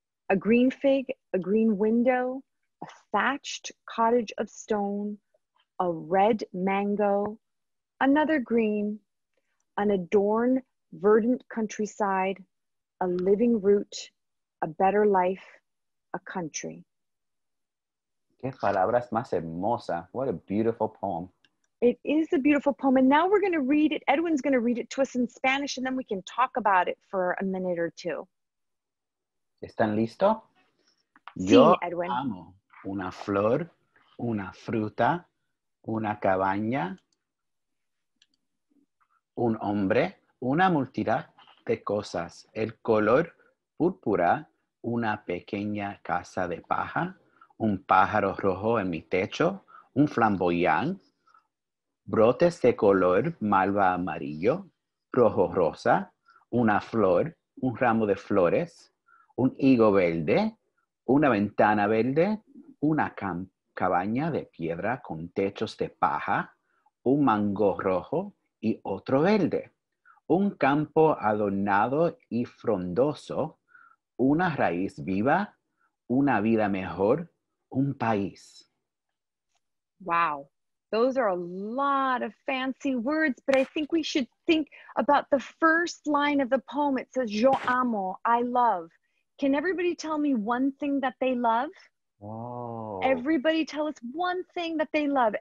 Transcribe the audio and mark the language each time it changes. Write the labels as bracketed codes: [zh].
[en] a green fig, a green window, a thatched cottage of stone, a red mango, another green, an adorned verdant countryside, a living root, a better life, a country. [es] Qué palabras más hermosas. [en] What a beautiful poem. It is a beautiful poem. And now we're going to read it. Edwin's going to read it to us in Spanish, and then we can talk about it for a minute or two. [es] ¿Están listos? Sí, yo, Edwin. Amo una flor, una fruta, una cabaña, un hombre, una multitud de cosas, el color púrpura, una pequeña casa de paja, un pájaro rojo en mi techo, un flamboyant, brotes de color malva amarillo, rojo rosa, una flor, un ramo de flores, un higo verde, una ventana verde, una cabaña de piedra con techos de paja, un mango rojo y otro verde, un campo adornado y frondoso, una raíz viva, una vida mejor, un país. [en] Wow. Those are a lot of fancy words, but I think we should think about the first line of the poem. It says, [es] yo amo, [en] I love. Can everybody tell me one thing that they love? Whoa. Everybody tell us one thing that they love.